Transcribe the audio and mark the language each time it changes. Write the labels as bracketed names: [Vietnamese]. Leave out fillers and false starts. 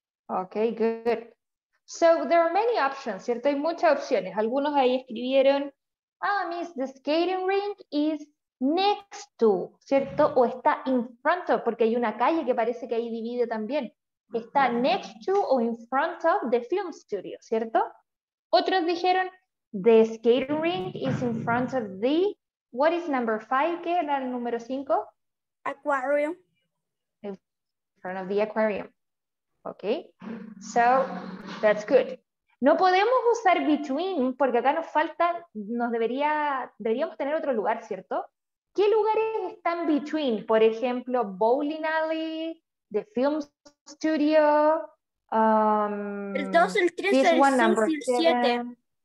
[English] Ok, good. So, there are many options, [Spanish] cierto, hay muchas opciones. Algunos ahí escribieron, [English] miss, the skating rink is next to, ¿cierto? [Spanish] O está [English] in front of, [Spanish] porque hay una calle que parece que ahí divide también. [English] Está next to o in front of the film studio, ¿cierto? Otros dijeron, the skating rink is in front of the, what is number five? [Spanish] ¿Qué era el número cinco? [English] Aquarium. In front of the aquarium. Okay. So, that's good. [Spanish] No podemos usar between, porque acá nos falta, deberíamos tener otro lugar, ¿cierto? ¿Qué lugares están between? Por ejemplo, Bowling Alley, The Film Studio, el 2, el 3, el 6 y el 7.